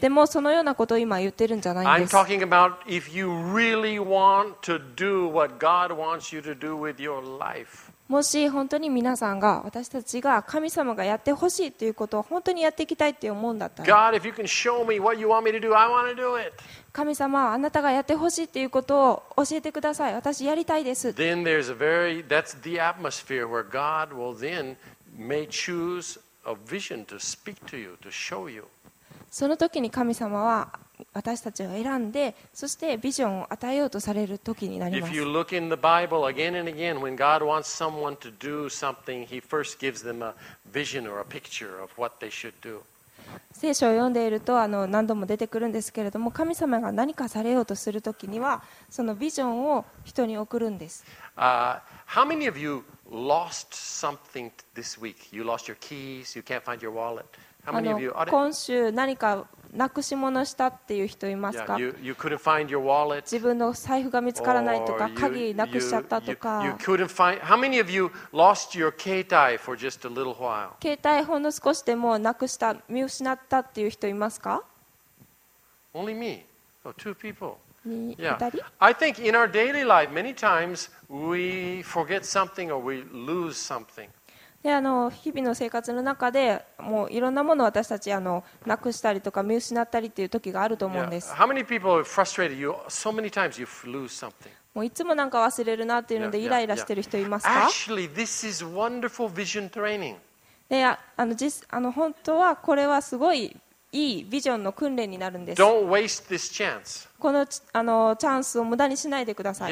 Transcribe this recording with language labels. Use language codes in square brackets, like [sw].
[ja] でもそのようなことを今言ってるんじゃないんです。 [en] I'm talking about if you really want to do what God wants you to do with your life. [ja] もし本当に皆さんが私たちが神様がやってほしいということを本当にやっていきたいって思うんだったら、 [en] God, if you can show me what you want me to do, I want to do it. [ja] 神様、あなたがやってほしいということを教えてください。私やりたいです。 [en] Then there's a very, that's the atmosphere where God will then may choose a vision to speak to you, to show you. [ja] その時に神様は私たちを選んで、そしてビジョンを与えようとされる時になります。 [en] If you look in the Bible again and again, when God wants someone to do something, He first gives them a vision or a picture of what they should do. [ja] 聖書を読んでいると何度も出てくるんですけれども、神様が何かされようとする時には、そのビジョンを人に送るんです。 [en] How many of you lost something this week? You lost your keys, you can't find your wallet. How many of you? [ja] 今週何かなくし物したっていう人いますか？ [en] You couldn't find your wallet. [ja] 自分の財布が見つからないとか、鍵なくしちゃったとか。 [en] How many of you lost your 携帯 for just a little while? [ja] 携帯ほんの少しでもなくした、見失ったっていう人いますか？ [en] Only me. Oh, two people. Yeah. I think in our daily life, many times we forget something or we lose something. [ja] で、日々の生活の中で、もういろんなものを私たちなくしたりとか見失ったりっていう時があると思うんです。 [en] Yeah. How many people are frustrated? You so many times you lose something. [ja] もういつもなんか忘れるなっていうのでイライラしてる人いますか？ [en] Actually, this is wonderful vision training. [ja] で、本当はこれはすごい。いいビジョンの訓練になるんです。 [en] Don't waste this chance. [ja] このチャンスを無駄にしないでください。